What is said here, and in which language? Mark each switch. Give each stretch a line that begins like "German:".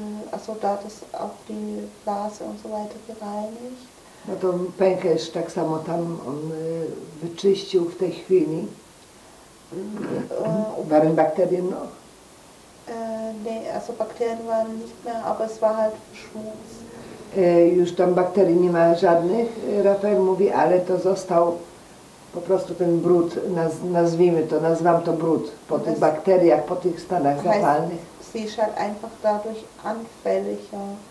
German: Also da das auch die Blase und so weiter gereinigt.
Polish: No to pęcherz tak samo tam on wyczyścił w tej chwili.
German: Waren Bakterien noch? Nee, also Bakterien waren nicht mehr, aber es war halt Schmutz.
Polish: Już tam bakterii nie ma żadnych, Rafael mówi, ale to został po prostu ten brud, nazwijmy to, nazwam to brud, po tych bakteriach, po tych stanach zapalnych.
German: Sie ist halt einfach dadurch anfälliger.